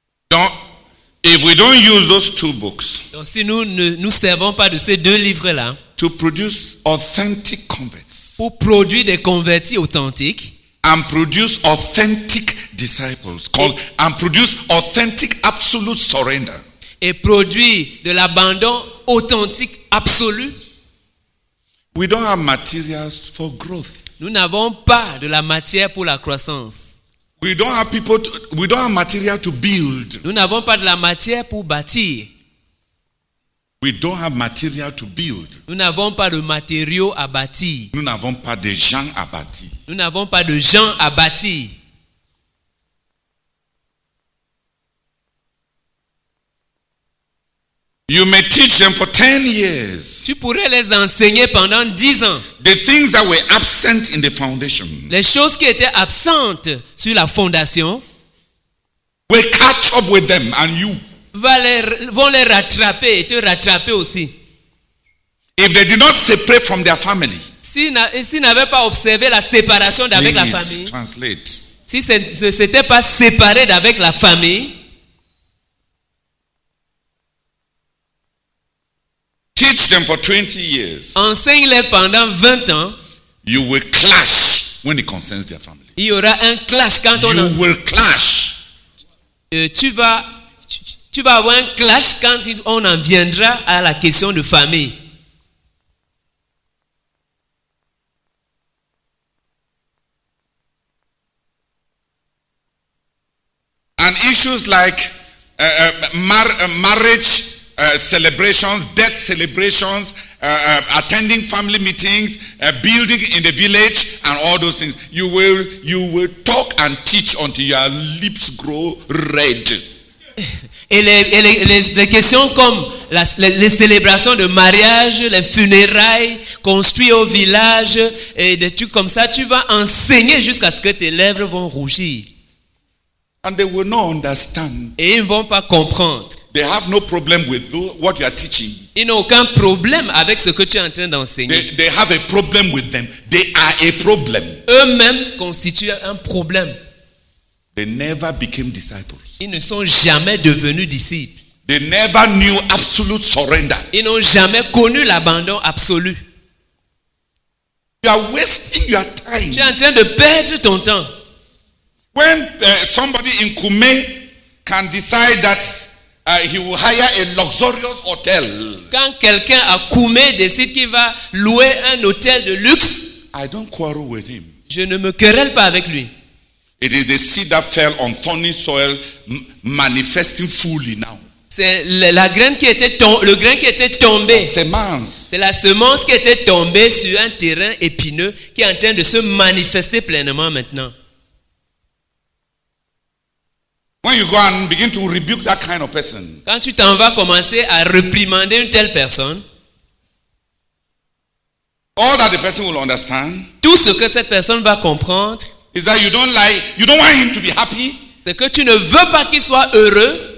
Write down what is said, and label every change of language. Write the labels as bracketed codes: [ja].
[en] Donc, if we don't use those two books, [fr] donc si nous ne nous servons pas de ces deux livres-là, [en] to produce authentic converts, [fr] pour produire des convertis authentiques, [en] and produce authentic disciples, and produce authentic absolute surrender. [fr] Et produire de l'abandon authentique absolu. [en] We don't have materials for growth. [fr] Nous n'avons pas de la matière pour la croissance. [en] We don't have people. We don't have material to build. [fr] Nous n'avons pas de la matière pour bâtir. [en] We don't have material to build. [fr] Nous n'avons pas de matériaux à bâtir. Nous n'avons pas de gens à bâtir. Nous n'avons pas de gens à bâtir. [en] You may teach them for 10 years. [fr] Tu pourrais les enseigner pendant 10 ans. [en] The things that were absent in the foundation. [fr] Les choses qui étaient absentes sur la fondation. [en] Will catch up with them and you. [fr] Vont les rattraper et te rattraper aussi. [en] If they did not separate from their family. [fr] S'ils n'avaient pas observé la séparation d'avec la famille. [en] Please translate. [fr] Si ne s'étaient pas séparés d'avec la famille. [en] Teach them for 20 years. [fr] Enseigne-les pendant 20 ans. [en] You will clash when it concerns their family. [fr] Il y aura un clash quand [en] you [fr] on. [en] You will clash. [fr] Tu vas avoir un clash quand on en viendra à la question de famille. [en] And issues like marriage. Celebrations, death celebrations, attending family meetings, building in the village, and all those things. You will talk and teach until your lips grow red. [fr] Et les questions comme les célébrations de mariage, les funérailles construites au village et des trucs comme ça, tu vas enseigner jusqu'à ce que tes lèvres vont rougir. [en] And they will not understand. [fr] Et ils vont pas comprendre. [en] They have no problem with what you are teaching. [fr] Ils n'ont aucun problème avec ce que tu es en train d'enseigner. [en] They have a problem with them. They are a problem. [fr] Eux-mêmes constituent un problème. [en] They never became disciples. [fr] Ils ne sont jamais devenus disciples. [en] They never knew absolute surrender. [fr] Ils n'ont jamais connu l'abandon absolu. [en] You are wasting your time. [fr] Tu es en train de perdre ton temps. [en] When somebody in Kume can decide that he will hire a luxurious hotel. [fr] Quand quelqu'un à Koumé décide qu'il va louer un hôtel de luxe, [en] I don't quarrel with him. [fr] Je ne me querelle pas avec lui. [en] It is the seed that fell on thorny soil, manifesting fully now. [fr] C'est la graine qui était le grain qui était tombé. C'est la semence qui était tombée sur un terrain épineux qui est en train de se manifester pleinement maintenant. [en] When you go and begin to rebuke that kind of person, [fr] quand tu t'en vas commencer à réprimander une telle personne, [en] all that the person will understand, [fr] tout ce que cette personne va comprendre, [en] is that you don't like, you don't want him to be happy, [fr] c'est que tu ne veux pas qu'il soit heureux